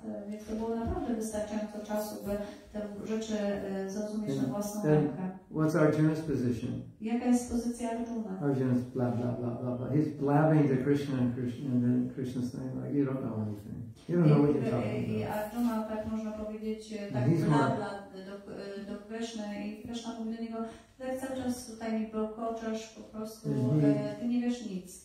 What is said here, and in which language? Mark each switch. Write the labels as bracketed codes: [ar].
[pl] Więc to było naprawdę wystarczająco czasu, by te rzeczy zrozumieć na własną rękę. [en] What's Arjuna's position? [pl] Jaka jest pozycja Arjuna? [en] Arjuna's blah blah blah blah blah. He's blabbing to Krishna and Krishna and then Krishna's saying like, you don't know anything. You don't know what you're talking about. [pl] I Arjuna, tak można powiedzieć, tak blabla do Krishna i Krishna mówi do niego, tak cały czas tutaj mi bełkoczesz, po prostu ty nie wiesz nic.